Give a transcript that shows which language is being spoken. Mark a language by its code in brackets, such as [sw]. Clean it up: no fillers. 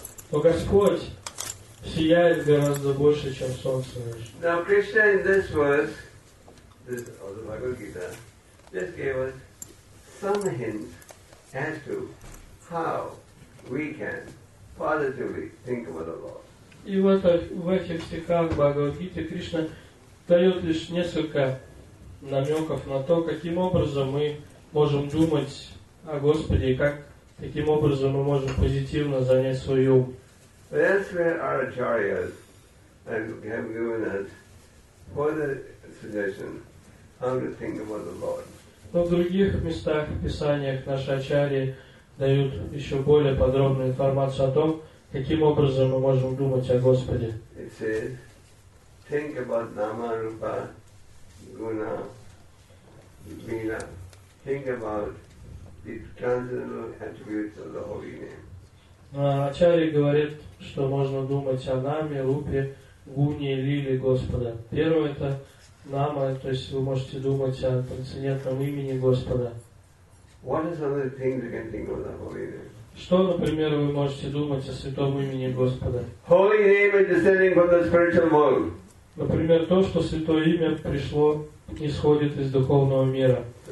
[ru] Но Господь сияет гораздо больше, чем солнце. [en] Now Krishna in this verse, this of the Bhagavad Gita, just gave us some hints as to how we can positively think about the Lord. [ru] И в этих стихах Бхагавад-гиты Кришна дает лишь несколько намеков на то, каким образом мы можем думать о Господе и как таким образом мы можем позитивно занять свой ум. [en] That's where our acharyas have given us further suggestion how to think about the Lord. [ru] Но в других местах, в писаниях, наши ачарьи дают еще более подробную информацию о том, каким образом мы можем думать о Господе? [en] It says, think about Nama, Rupa, Guna, Mila. Think about the transcendental attributes of the Holy Name. [ru] Ачарьи говорит, что можно думать о Наме, Рупе, Гуне и Лиле Господа. Первое это Нама, то есть вы можете думать о трансцендентном имени Господа. [en] What is another thing you can think of the Holy Name? [ru] Что, например, вы можете думать о святом имени Господа? [en] Holy name is descending from the spiritual world. [ru] Например, то, что Святое Имя пришло, исходит из духовного мира.